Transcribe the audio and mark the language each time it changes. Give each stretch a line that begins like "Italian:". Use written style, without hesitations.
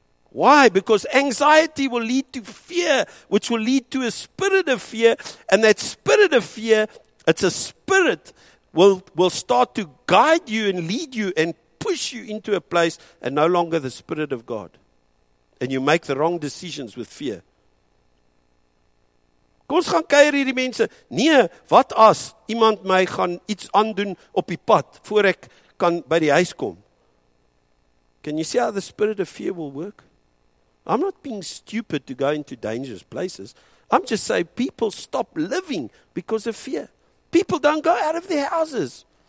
English: Why? Because anxiety will lead to fear, which will lead to a spirit of fear, and that spirit of fear, it's a spirit, will start to guide you and lead you and push you into a place and no longer the spirit of God. And you make the wrong decisions with fear.
Afrikaans: Kom ons gaan kuier hierdie mense. Nee, wat as iemand my gaan iets aandoen op die pad voor ek kan by die huis kom?
English: Can you see how the spirit of fear will work? I'm not being stupid to go into dangerous places. I'm just saying people stop living because of fear. People don't go out of their houses.